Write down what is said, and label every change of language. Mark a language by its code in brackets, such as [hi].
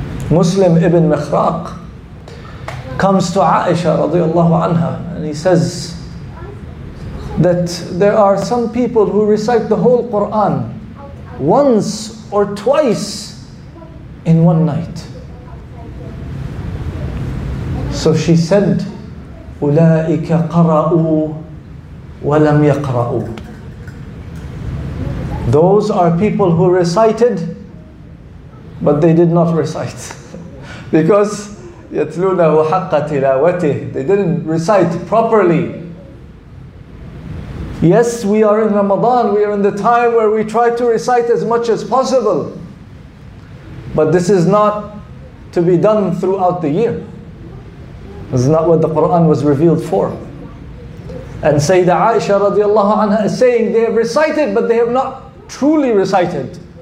[en] Muslim ibn Mikhraq comes to Aisha radiyallahu anha and he says that there are some people who recite the whole Quran once or twice in one night. So she said, [ar] أُولَٰئِكَ قَرَأُوا وَلَمْ يَقْرَأُوا. [en] Those are people who recited, but they did not recite. Because [ar] يَتْلُونَ وَحَقَّ تِلَاوَتِهِ. [en] They didn't recite properly. Yes, we are in Ramadan. We are in the time where we try to recite as much as possible. But this is not to be done throughout the year. This is not what the Quran was revealed for. And Sayyidah Aisha radiallahu anha is saying they have recited, but they have not truly recited.